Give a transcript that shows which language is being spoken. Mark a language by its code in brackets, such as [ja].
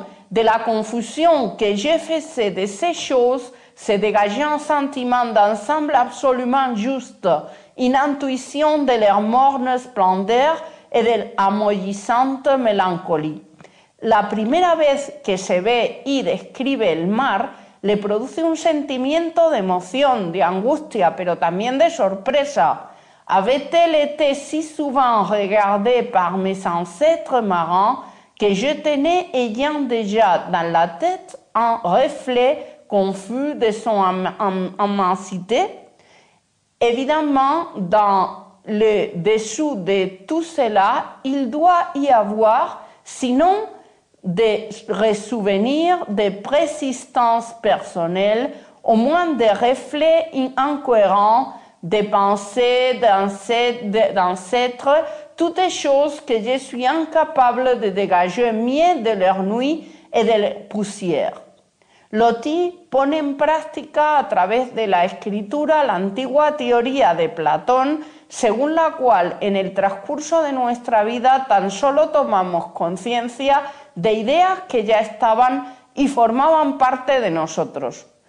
[fr] De la confusión que je faisais de ces choses, se dégageait un sentiment d'ensemble absolument juste, une intuition de leur morne splendeur et de l'amollissante mélancolie. [es] La primera vez que se ve y describe el mar le produce un sentimiento de emoción, de angustia, pero también de sorpresa. [fr] Avait-elle été si souvent regardée par mes ancêtres marins que je tenais ayant déjà dans la tête un reflet confus de son immensité? Évidemment, dans le dessous de tout cela, il doit y avoir, sinon des ressouvenirs, des persistances personnelles, au moins des reflets incohérents, des pensées d'ancêtres, toutes les choses que je suis incapable de dégager mieux de leur nuit et de leur poussière. [es] Loti pone en práctica a través de la escritura la antigua teoría de Platón, según la cual en el transcurso de nuestra vida tan solo tomamos conciencia de ideas que ya estaban y formaban parte de nosotros.